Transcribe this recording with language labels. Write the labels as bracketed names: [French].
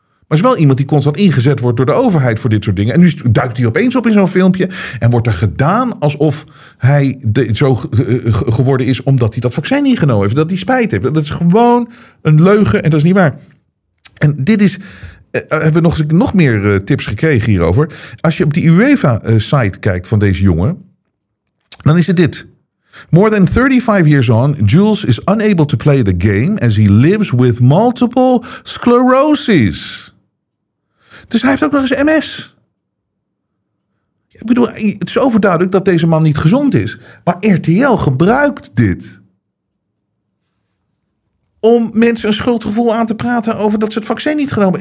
[Dutch] Maar is wel iemand die constant ingezet wordt door de overheid voor dit soort dingen. En nu duikt hij opeens op in zo'n filmpje en wordt er gedaan alsof hij zo geworden is omdat hij dat vaccin ingenomen heeft. Dat hij spijt heeft. Dat is gewoon een leugen en dat is niet waar. En dit is... hebben we nog meer tips gekregen hierover. Als je op die UEFA-site kijkt van deze jongen, dan is het dit. [English] More than 35 years on, Jules is unable to play the game as he lives with multiple sclerosis. [Dutch] Dus hij heeft ook nog eens MS. Ik bedoel, het is overduidelijk dat deze man niet gezond is. Maar RTL gebruikt dit om mensen een schuldgevoel aan te praten over dat ze het vaccin niet genomen.